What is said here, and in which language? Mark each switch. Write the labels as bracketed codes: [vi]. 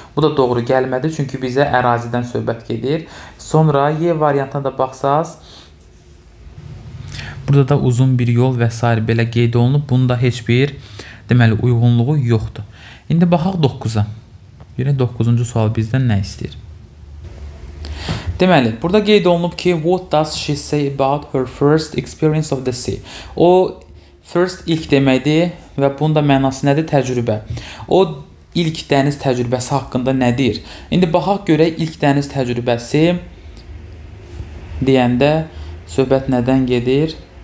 [az] Bu da doğru gəlmədi, çünki bizə ərazidən söhbət gedir. Sonra Y variantına da baxsaz, burada da uzun bir yol və s. belə qeyd olunub, bunda heç bir deməli, uyğunluğu yoxdur. İndi baxaq 9-a. Yenə 9-cu sual bizdən nə istəyir? Deməli, burada qeyd olunub ki, [en] what does she say about her first experience of the sea? [az] O, first ilk deməkdir və bunun da mənası nədir? Təcrübə. O, ilk dəniz təcrübəsi haqqında nədir? İndi baxaq görək, ilk dəniz təcrübəsi deyəndə söhbət nədən gedir?